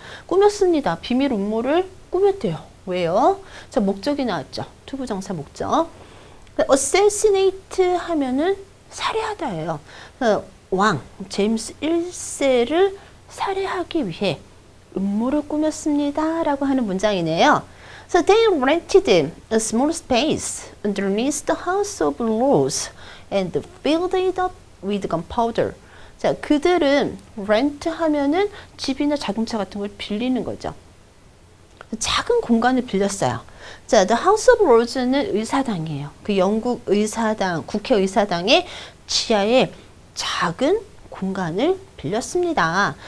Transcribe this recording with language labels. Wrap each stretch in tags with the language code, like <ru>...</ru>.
<ko>꾸몄습니다. 비밀 음모를 꾸몄대요. 왜요? 자, 목적이 나왔죠. 투부정사 목적. assassinate 하면은 살해하다예요. 왕, 제임스 1세를 살해하기 위해 음모를 꾸몄습니다. 라고 하는 문장이네요.</ko> <en>So they rented a small space underneath the House of Lords and filled it up with gunpowder.</en> <ko>자, 그들은 rent 하면은 집이나 자동차 같은 걸 빌리는 거죠. 작은 공간을 빌렸어요. 자, the House of Lords는 의사당이에요. 그 영국 의사당, 국회 의사당의 지하에 작은 공간을 빌렸습니다.</ko>